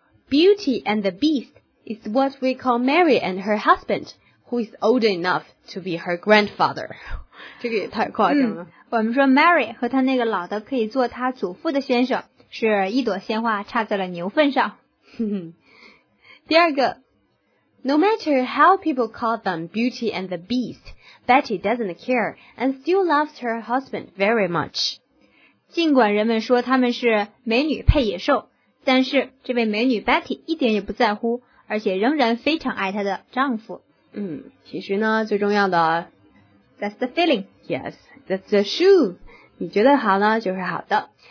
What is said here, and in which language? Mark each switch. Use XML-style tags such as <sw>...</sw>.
<en>Beauty and the Beast is what we call Mary and her husband, who is old enough to be her grandfather.</en> <zh>这个也太夸张了。我们说 Mary 和她那个老的可以做她祖父的先生，是一朵鲜花插在了牛粪上。第二个</zh> <en>,No matter how people call them Beauty and the Beast,Betty doesn't care and still loves her husband very much.</en> <zh>尽管人们说他们是美女配野兽，但是这位美女 Betty 一点也不在乎，而且仍然非常爱她的丈夫。其实呢，最重要的</zh> <en>That's the feeling. Yes, that's the shoe.</en> <zh>你觉得好呢，就是好的。</zh>